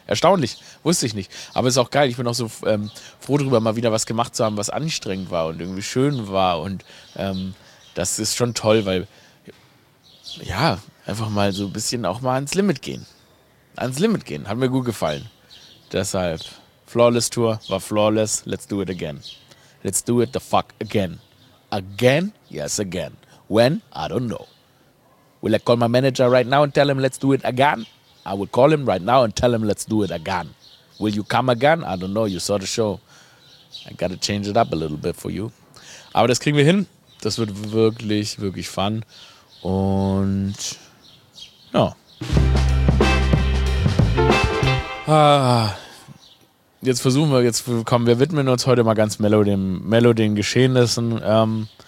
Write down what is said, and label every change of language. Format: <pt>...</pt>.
<de>Erstaunlich, wusste ich nicht. Aber ist auch geil, ich bin auch so froh drüber, mal wieder was gemacht zu haben, was anstrengend war und irgendwie schön war. Und das ist schon toll, weil, ja, einfach mal so ein bisschen auch mal ans Limit gehen. Ans Limit gehen, hat mir gut gefallen. Deshalb, Flawless Tour war flawless,</de> <en>let's do it again. Let's do it the fuck again. Again? Yes, again. When? I don't know. Will I call my manager right now and tell him let's do it again? I will call him right now and tell him let's do it again. Will you come again? I don't know. You saw the show. I gotta change it up a little bit for you.</en> <de>Aber das kriegen wir hin. Das wird wirklich, wirklich fun. Und ja. Ah. Jetzt versuchen wir, jetzt kommen wir, widmen uns heute mal ganz mellow den Geschehnissen.</de>